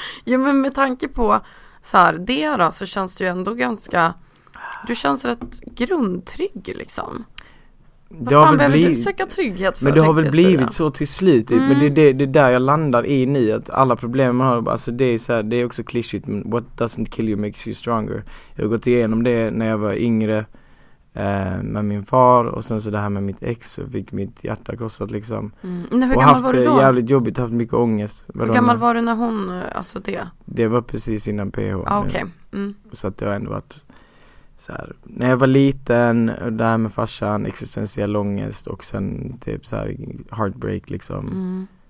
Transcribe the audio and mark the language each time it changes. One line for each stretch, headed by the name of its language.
Swedish: Ja, men med tanke på så här, det då, så känns det ju ändå ganska, du känns rätt grundtrygg liksom. Vad fan behöver du söka trygghet för? Men det har väl blivit så till slut. Typ. Men det är där jag landar i nu. Att alla problem man har, alltså det är så här, det är också klischigt.
English: Men what doesn't kill you makes you stronger.
Swedish: Jag har gått igenom det när jag var yngre med min far. Och sen så det här med mitt ex, så fick mitt hjärta krossat liksom. Men hur och gammal var du då? Haft jävligt jobbigt, haft mycket ångest. Hur gammal var du när hon, alltså det? Det var precis innan PH. Ah, okay. Så att det har ändå varit... Så här, när jag var liten, det här med farsan, existentiell ångest och sen typ så här heartbreak liksom.